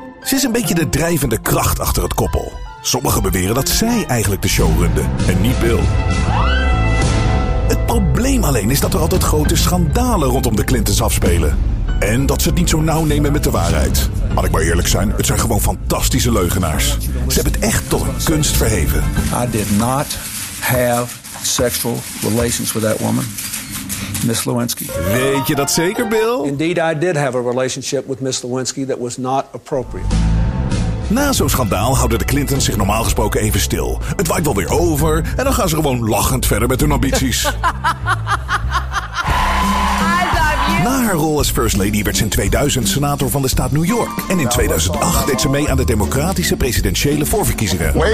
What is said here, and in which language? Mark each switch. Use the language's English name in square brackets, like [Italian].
[Dutch] Ze is een beetje de drijvende kracht achter het koppel. Sommigen beweren dat zij eigenlijk de show runde en niet Bill. Het probleem alleen is dat er altijd grote schandalen rondom de Clintons afspelen. En dat ze het niet zo nauw nemen met de waarheid. Laat ik maar eerlijk zijn, het zijn gewoon fantastische leugenaars. Ze hebben het echt tot een kunst verheven. [English] I did not have sexual relations with that woman, Miss Lewinsky. [Dutch] Weet je dat zeker, Bill? [English] Indeed, I did have a relationship with Miss Lewinsky that was not appropriate. [Dutch] Na zo'n schandaal houden de Clintons zich normaal gesproken even stil. Het waait wel weer over en dan gaan ze gewoon lachend verder met hun ambities. Na haar rol als First Lady werd ze in 2000 senator van de staat New York. En in 2008 deed ze mee aan de democratische presidentiële voorverkiezingen.